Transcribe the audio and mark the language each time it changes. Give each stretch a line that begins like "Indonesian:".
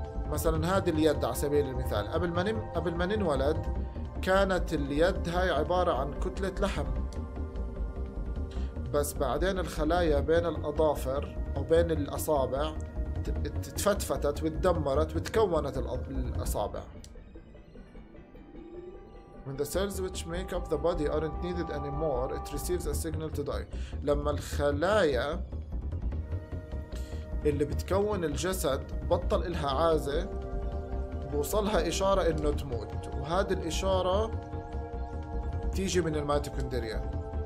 Arabic: مثلا هذه اليد على سبيل المثال، قبل ما ننولد كانت اليد هاي عبارة عن كتلة لحم، بس بعدين الخلايا بين الأظافر أو بين الأصابع تفتفتت وتدمرت وتكونت الأصابع.
English: When the cells which make up the body aren't needed anymore, it receives a signal to die.
Arabic: لما الخلايا اللي بتكون الجسد بطل إلها عازة، بوصلها إشارة إنه تموت، وهذه الإشارة تيجي من الميتوكوندريا.